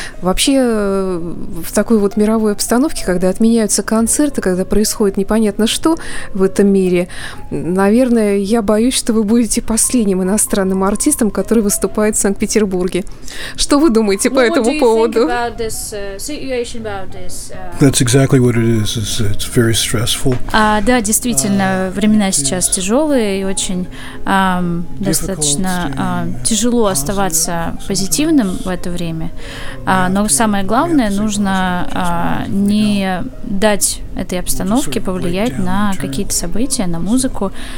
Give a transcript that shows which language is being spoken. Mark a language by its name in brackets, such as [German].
[Russian] Вообще, в такой вот мировой обстановке, когда отменяются концерты, когда происходит непонятно что в этом мире, наверное, я боюсь, что вы будете последним иностранным артистом, который выступает в Санкт-Петербурге. Что вы думаете по этому поводу? [English] That's exactly what it is. It's very stressful. [Russian] Да, действительно, времена сейчас тяжелые и очень достаточно тяжело оставаться позитивным в это время. Но самое главное, нужно не дать этой обстановке повлиять на какие-то события, на музыку.